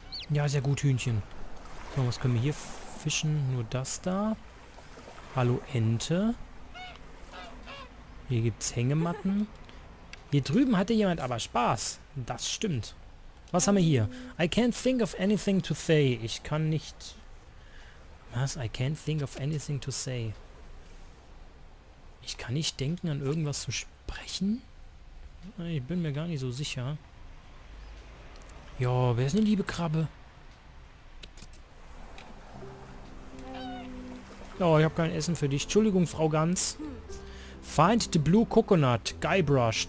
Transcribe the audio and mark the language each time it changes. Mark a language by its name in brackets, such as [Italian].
[German] Ja, sehr gut, Hühnchen. So, was können wir hier fischen? Nur das da. Hallo, Ente. Hier gibt es Hängematten. Hier drüben hatte jemand aber Spaß. Das stimmt. Was haben wir hier? [English] I can't think of anything to say. [German] Ich kann nicht... Was? [English] I can't think of anything to say. [German] Ich kann nicht denken, an irgendwas zu sprechen? Ich bin mir gar nicht so sicher. Ja, wer ist eine liebe Krabbe? Oh, ich habe kein Essen für dich. Entschuldigung, Frau Gans. [English] Find the blue coconut. [German] Guybrush.